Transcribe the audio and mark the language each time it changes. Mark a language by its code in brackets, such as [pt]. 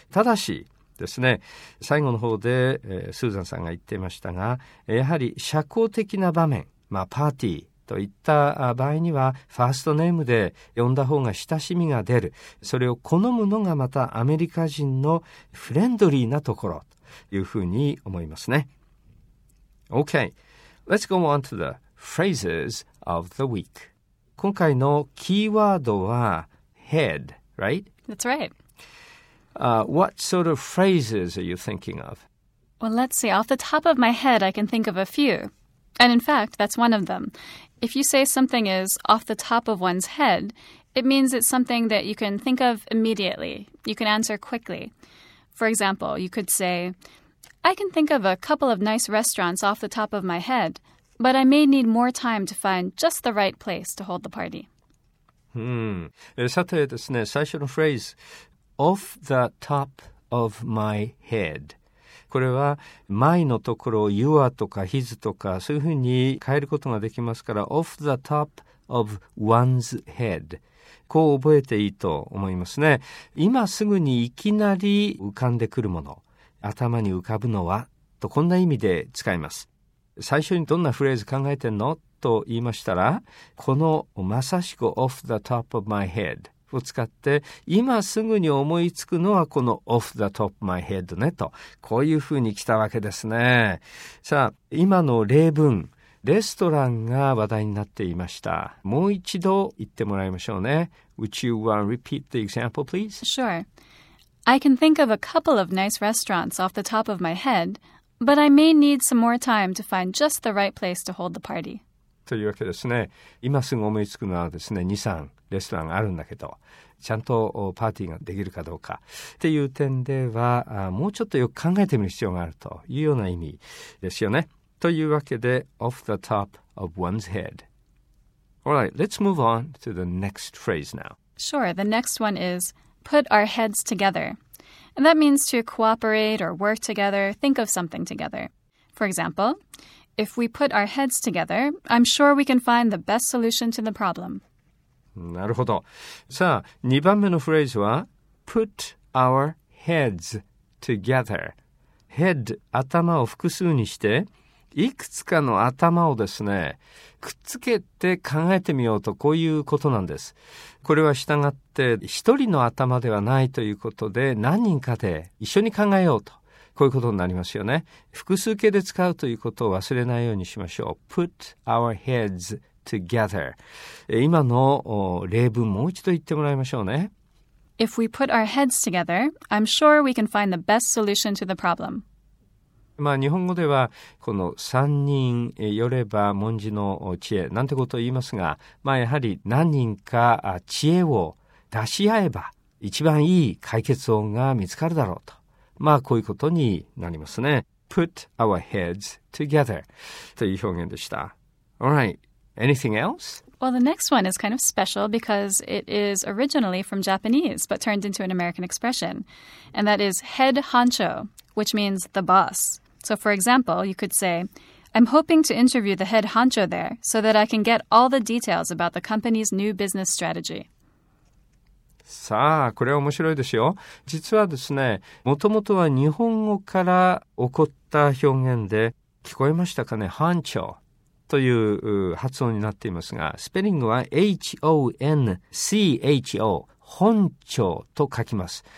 [ja] ただし、ですね、最後の方で、スーザンさんが言っていましたが、やはり社交的な場面、まあ、パーティーといった場合にはファーストネームで呼んだ方が親しみが出る、それを好むのがまたアメリカ人のフレンドリーなところというふうに思いますね。 [en] OK, let's go on to the phrases of the week. [ja] 今回のキーワードは head, [en] right? That's right. What sort of phrases are you thinking of? Well, let's see. Off the top of my head, I can think of a few. And in fact, that's one of them. If you say something is off the top of one's head, it means it's something that you can think of immediately. You can answer quickly. For example, you could say, I can think of a couple of nice restaurants off the top of my head, but I may need more time to find just the right place to hold the party. [ja] さてですね、最初のフレーズ。 [en] Off the top of my head. [ja] これは my のところを your とか his とかそういうふうに変えることができますから off the top of one's head. こう覚えていいと思いますね。今すぐにいきなり浮かんでくるもの、頭に浮かぶのはとこんな意味で使います。最初にどんなフレーズ考えてんのと言いましたら、このまさしく off the top of my head. を使って今すぐに思いつくのはこの off the top of my head ねとこういうふうに来たわけですね。さあ今の例文、レストランが話題になっていました。もう一度言ってもらいましょうね。 [en] Would you want to repeat the example please? Sure. I can think of a couple of nice restaurants off the top of my head, but I may need some more time to find just the right place to hold the party. [ja] というわけですね。今すぐ思いつくのはですね、2、3レストランあるんだけど、ちゃんとパーティーができるかどうかっていう点では、もうちょっとよく考えてみる必要があるというような意味ですよね。というわけで、off the top of one's head. [en] All right, let's move on to the next phrase now. Sure, the next one is put our heads together. And that means to cooperate or work together, think of something together. For example, if we put our heads together, I'm sure we can find the best solution to the problem. [ja] なるほど。さあ、2番目のフレーズは、put our heads together。 head、頭を複数にして、いくつかの頭をですね、くっつけて考えてみようと、こういうことなんです。これは従って、1人の頭ではないということで、何人かで一緒に考えようと。こういうことになりますよね。複数形で使うということを忘れないようにしましょう。 [en] Put our heads together. [ja] 今の例文もう一度言ってもらいましょうね。 [en] If we put our heads together, I'm sure we can find the best solution to the problem. [ja] まあ日本語ではこの三人寄れば文字の知恵なんてことを言いますが、まあやはり何人か知恵を出し合えば一番いい解決法が見つかるだろうと。まあこういうことになりますね。 [en] Put our heads together [ja] という表現でした。 [en] All right. Anything else? Well, the next one is kind of special because it is originally from Japanese but turned into an American expression. And that is head honcho, which means the boss. So for example, you could say, I'm hoping to interview the head honcho there so that I can get all the details about the company's new business strategy. [ja] さあこれは面白いですよ。実はですね、もともとは日本語から起こった表現で、聞こえましたかね、班長という発音になっていますが、スペリングは H-O-N-C-H-O 本庁と書きます。